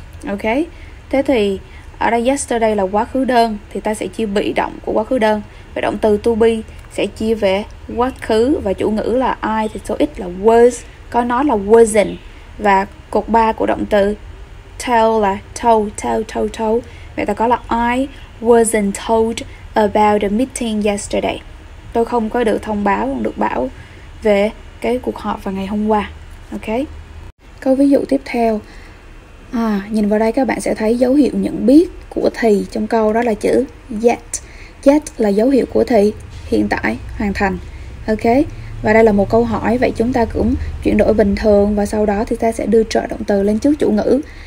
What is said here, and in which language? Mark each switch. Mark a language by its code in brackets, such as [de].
[vi] Ok, thế thì ở đây yesterday là quá khứ đơn, thì ta sẽ chia bị động của quá khứ đơn. Và động từ to be sẽ chia về quá khứ, và chủ ngữ là I thì số ít là was, có nói là wasn't. Và cột 3 của động từ tell là told. Vậy ta có là [en] I wasn't told about the meeting yesterday. [vi] Tôi không có được thông báo, không được bảo về cái cuộc họp vào ngày hôm qua. Ok, câu ví dụ tiếp theo. Nhìn vào đây các bạn sẽ thấy dấu hiệu nhận biết của thì trong câu đó là chữ yet. Yet là dấu hiệu của thì hiện tại, hoàn thành. Ok, và đây là một câu hỏi, vậy chúng ta cũng chuyển đổi bình thường, và sau đó thì ta sẽ đưa trợ động từ lên trước chủ ngữ.